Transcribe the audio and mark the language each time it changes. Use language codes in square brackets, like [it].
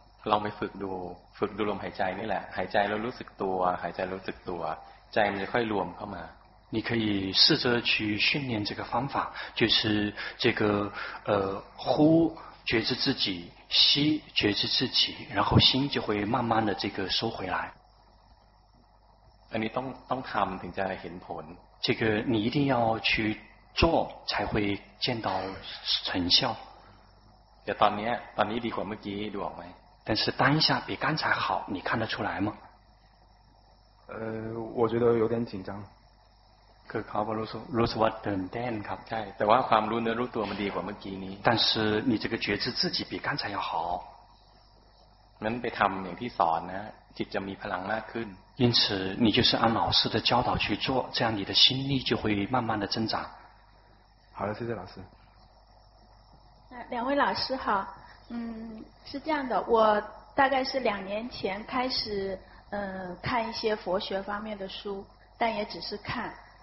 [th] ลองไปฝึกดูฝึกดูลมหายใจนี่แหละหายใจแล้วรู้สึกตัวหายใจรู้สึกตัวใจมันจะค่อยรวมเข้ามา [zh] 你可以试着去训练这个方法，就是这个呼觉知自己，吸觉知自己，然后心就会慢慢的这个收回来。 [th] อันนี้ต้องทำถึงจะเห็นผล [zh] 这个你一定要去做才会见到成效。 [th] แต่ตอนนี้ดีกว่าเมื่อกี้ดูออกไหม แต่ [zh] 是当下比刚才好你看得出来吗我觉得有点紧张 [th] คือเขาบอกรู้สึกว่าตื่นเต้นครับ ใช่แต่ว่าความรู้เนื้อรู้ตัวมันดีกว่าเมื่อกี้นี้ [zh] 但是你这个觉知自己比刚才要好 [th] นั้นไปทำอย่างที่สอนนะจิตจะมีพลังมากขึ้น [zh] 因此你就是按老师的教导去做这样你的心力就会慢慢的增长好的谢谢老师两位老师好是这样的，我大概是两年前开始，看一些佛学方面的书，但也只是看，